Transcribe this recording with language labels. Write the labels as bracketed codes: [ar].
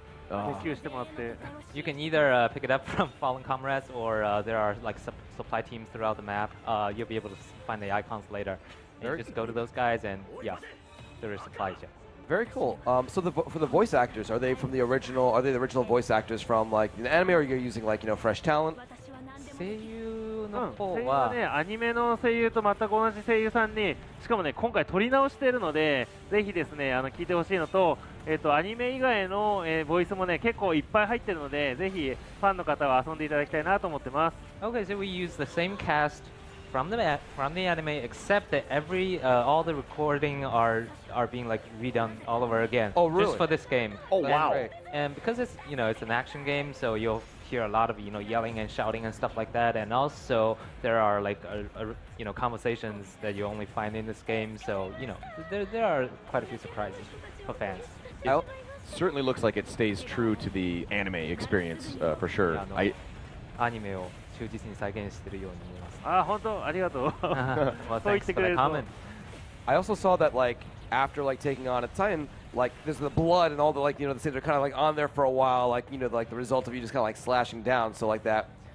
[en] You can either pick it up from fallen comrades, or there are like supply teams throughout the map. You'll be able to find the icons later. You just go to those guys, and yeah, there is supply chest. Very cool. So for the voice actors, are they from the original? Are they the original voice actors from like the anime, or are you using like you know fresh talent? [ja] ね、アニメの声優と全く同じ声優さんにしかも、ね、今回撮り直しているのでぜひです、ね、あの聞いてほしいの と,、アニメ以外の、ボイスも、ね、結構いっぱい入っているのでぜひファンの方は遊んでいただきたいなと思ってます。 [en] OK, so we use the same cast from the anime except that every,、all the recording are being like redone all over again. Oh, really? Just for this game. Oh, wow. And because it's, you know, it's an action game, so you'llhear a lot of you know yelling and shouting and stuff like that, and also there are like you know conversations that you only find in this game, so you know there are quite a few surprises for fans. It certainly looks like it stays true to the anime experience for sure. [ja] アニメを忠実に再現しているように見えます。ああ本当ありがとう。そう言ってくれると [en] I also saw that like after like taking on a Titan,Like, there's the blood and all the, like, you know, the things are kind of, like, on there for a while, like, you know, like, the result of you just kind of, like, slashing down. So, like, that